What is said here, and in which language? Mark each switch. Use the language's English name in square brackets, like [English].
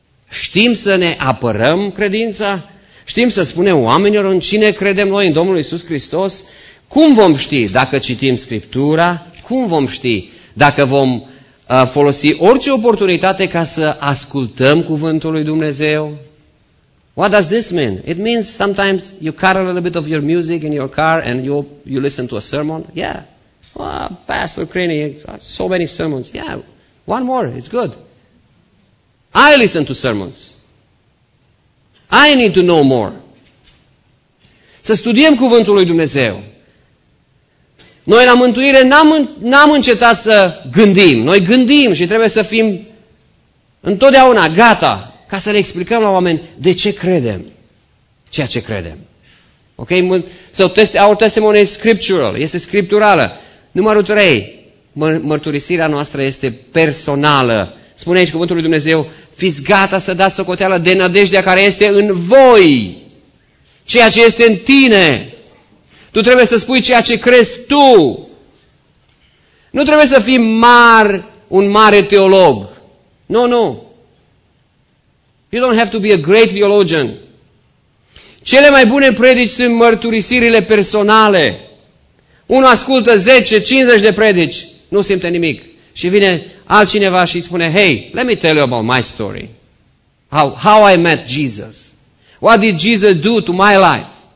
[Romanian] Știm să ne apărăm credința? Știm să spunem oamenilor în cine credem noi, în Domnul Iisus Hristos? Cum vom ști dacă citim Scriptura? Cum vom ști dacă vom folosi orice oportunitate ca să ascultăm Cuvântul lui Dumnezeu? [English] What does this mean? It means sometimes you cut a little bit of your music in your car and you listen to a sermon? Yeah. Well, Pastor Crini, so many sermons. Yeah, one more, it's good. I listen to sermons. I need to know more. [Romanian] Să studiem Cuvântul lui Dumnezeu. Noi la mântuire n-am încetat să gândim. Noi gândim și trebuie să fim întotdeauna gata ca să le explicăm la oameni de ce credem ceea ce credem. [English] Ok? Our testimony is scriptural. [Romanian] Este scripturală. Numărul 3. Mărturisirea noastră este personală. Spune aici Cuvântul lui Dumnezeu, fiți gata să dați socoteală de nădejdea care este în voi, ceea ce este în tine. Tu trebuie să spui ceea ce crezi tu. Nu trebuie să fii un mare teolog. Nu, nu. [English] You don't have to be a great theologian. [Romanian] Cele mai bune predici sunt mărturisirile personale. Unul ascultă 10, 50 de predici, nu simte nimic. Și vine altcineva și spune, [English] hey, let me tell you about my story. How I met Jesus. What did Jesus do to my life?